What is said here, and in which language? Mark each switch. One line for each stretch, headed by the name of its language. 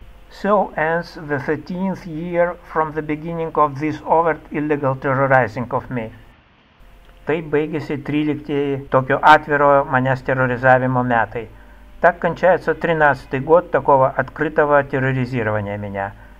English: So ends the 13th year from the beginning of this overt illegal terrorizing of me.
Lithuanian: Taip baigėsi 13-ieji tokio atviro manęs terrorizavimo metai.
Russian: Так кончается 13-й год такого открытого терроризирования меня.